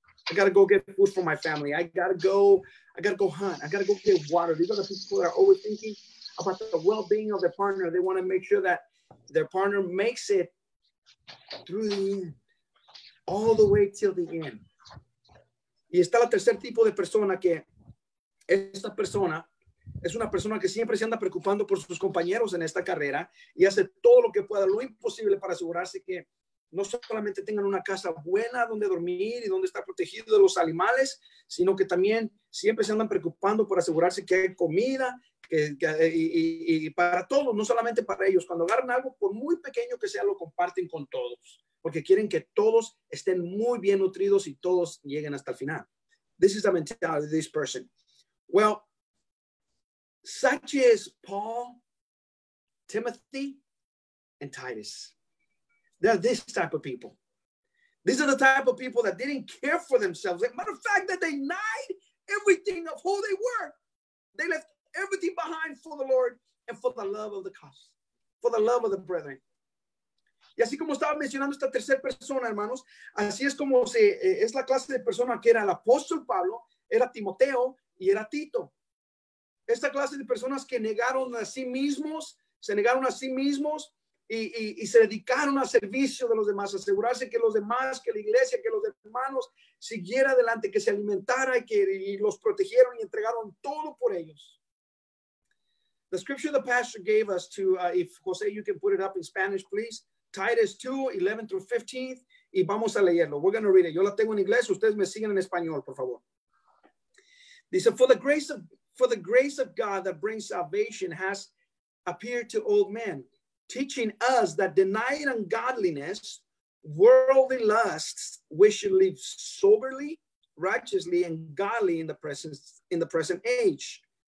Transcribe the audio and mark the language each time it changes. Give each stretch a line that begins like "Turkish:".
English: I gotta go get food for my family. I gotta go hunt. I gotta go get water. These are the people that are always thinking about the well-being of their partner. They want to make sure that their partner makes it through the end, all the way till the end.
Spanish: Y está el tercer tipo de persona que esta persona es una persona que siempre se anda preocupando por sus compañeros en esta carrera y hace todo lo que pueda, lo imposible para asegurarse que no solamente tengan una casa buena donde dormir y donde estar protegido de los animales, sino que también siempre se andan preocupando por asegurarse que hay comida y para todos, no solamente para ellos. Cuando agarran algo, por muy pequeño que sea, lo comparten con todos, porque quieren que todos estén muy bien nutridos y todos lleguen hasta el final.
English: This is the mentality of this person. Well, such is Paul, Timothy, and Titus. They're this type of people. These are the type of people that didn't care for themselves. As a matter of fact, that they denied everything of who they were. They left everything behind for the Lord and for the love of the cause, for the love of the brethren.
Spanish: Y así como estaba mencionando esta tercera persona, hermanos, así es como es la clase de persona que era el apóstol Pablo, era Timoteo y era Tito. Esta clase de personas que negaron a sí mismos, se negaron a sí mismos, y se dedicaron al servicio de los demás, asegurarse que los demás, que la iglesia, que los hermanos siguiera adelante, que se alimentara y los protegieron y entregaron todo por ellos.
English: The scripture the pastor gave us to, if Jose, you can put it up in Spanish, please. Titus 2, 11 through 15.
Spanish: Y vamos a leerlo.
English: We're going to read it.
Spanish: Yo la tengo en inglés. Ustedes me siguen en español, por favor. Dice,
English: for the grace of God that brings salvation has appeared to all men, teaching us that denying ungodliness, worldly lusts, we should live soberly, righteously, and godly in the present age.